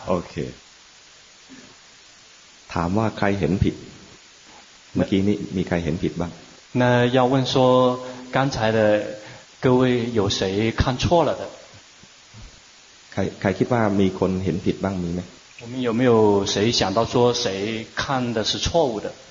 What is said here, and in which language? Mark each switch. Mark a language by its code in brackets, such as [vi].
[th] โอเคถามว่าใครเห็นผิดเมื่อกี้นี้มีใครเห็นผิดบ้าง [zh] น่า要问说刚才的各位有谁看错了的 [th] ใครคิดว่ามีคนเห็นผิดบ้างมีไหม [zh] 我们有没有谁想到说谁看的是错误的